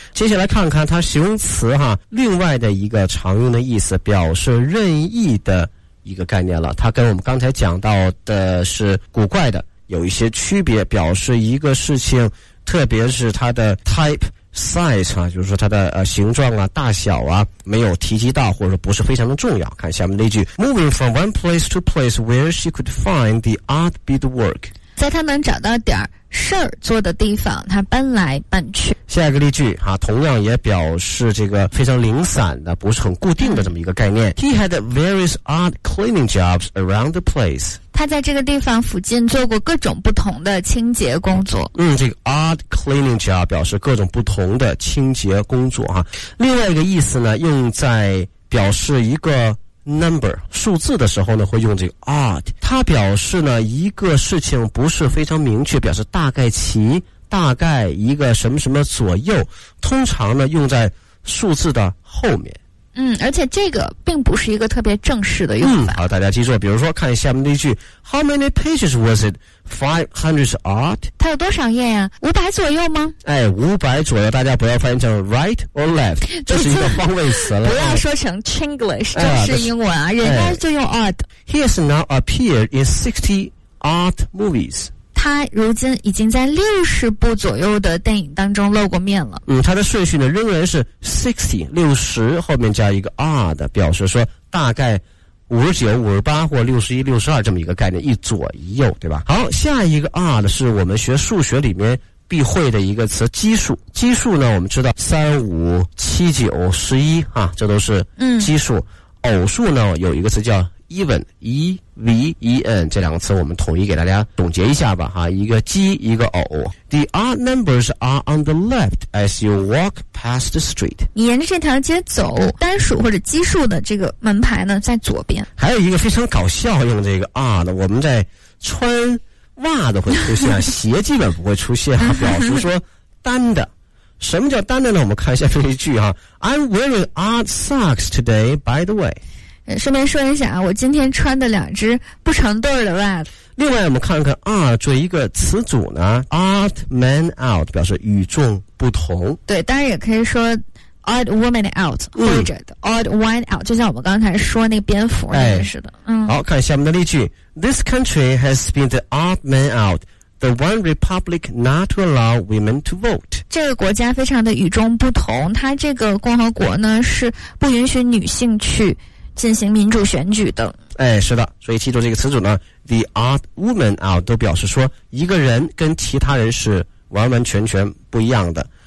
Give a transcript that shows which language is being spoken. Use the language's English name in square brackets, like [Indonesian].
[Chinese] 接下来看看它形容词哈，另外的一个常用的意思，表示任意的一个概念了，它跟我们刚才讲到的是古怪的有一些区别，表示一个事情，特别是它的 type size 啊，就是说它的形状啊、大小啊，没有提及到或者说不是非常的重要。看下面那句 [English] ，Moving from one place to place where she could find the odd bit work， [Chinese] 在她能找到点事儿做的地方，她搬来搬去。下一个例句啊，同样也表示这个非常零散的，不是很固定的这么一个概念。 [English] He had various odd cleaning jobs around the place。 [Chinese] 他在这个地方附近做过各种不同的清洁工作。这个 odd cleaning job 表示各种不同的清洁工作啊。另外一个意思呢，用在表示一个number 数字的时候呢，会用这个 odd， 它表示呢一个事情不是非常明确，表示大概其大概一个什么什么左右，通常呢用在数字的后面。而且这个并不是一个特别正式的用法。好，大家记住，比如说看下面那句 [English] How many pages was it? 500 odd? [Chinese] 它有多少页呀、500左右吗？哎，500左右，大家不要翻译成 [English] right or left， [Chinese] 这是一个方位词了。不要说成 Chinglish， 这是英文啊、人家就用 odd。 [English] He has now appeared in 60 odd movies。 [Chinese] 他如今已经在60部左右的电影当中露过面了。他的顺序呢仍然是 60 后面加一个 odd， 表示说大概59 58或61 62这么一个概念，一左一右对吧。好，下一个 odd 是我们学数学里面必会的一个词，奇数。奇数呢我们知道3 5 7 9 11这都是奇数。偶数呢有一个词叫 even E-V-E-N 这两个词我们统一给大家总结一下吧哈，一个鸡一个偶。 [English] The odd numbers are on the left as you walk past the street， [Chinese] 你沿着这条街走，单数或者奇数的这个门牌呢在左边。还有一个非常搞笑用这个 odd， 我们在穿袜子会出现，鞋基本不会出现，表示说单的。什么叫单的呢？我们看一下这一句哈， [English] I'm wearing odd socks today by the way， [Chinese] 顺便说一下啊，我今天穿的两只不成对的袜子。另外我们看看 odd 作为一个词组呢， odd man out 表示与众不同。对，当然也可以说 odd woman out 或者 odd wine out， 就像我们刚才说那个蝙蝠人似的、哎、好，看下面的例句。 [English] This country has been the odd man out, the one republic not to allow women to vote。 [Chinese] 这个国家非常的与众不同，它这个共和国呢是不允许女性去进行民主选举的。哎，是的，所以记住这个词组呢， the odd woman out 都表示说一个人跟其他人是完完全全不一样的。